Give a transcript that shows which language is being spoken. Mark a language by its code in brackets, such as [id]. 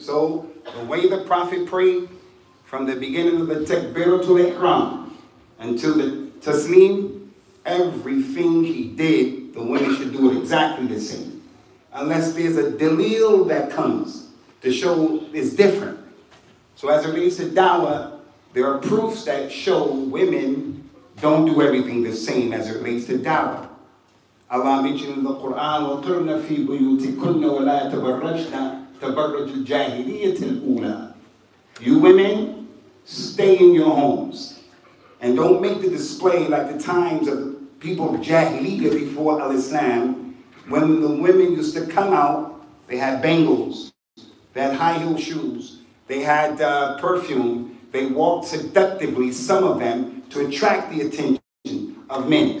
[en] So the way the Prophet prayed from the beginning of the Takbiratul Ihram until the Taslim, everything he did, the women should do it exactly the same. Unless there's a dalil that comes to show it's different. So as it relates to da'wah, there are proofs that show women don't do everything the same as it relates to da'wah. Allah mentioned in the Quran, [ar] وَطُرْنَ فِي بُيُوتِكُنَّ وَلَا تَبَرَّجْنَا تَبَرَّجُ الْجَاهِلِيَةِ الْأُولَى. [en] You women, stay in your homes. And don't make the display like the times of people of Jahiliyyah before al-Islam, when the women used to come out, they had bangles, they had high heel shoes, they had perfume, they walked seductively, some of them, to attract the attention of men.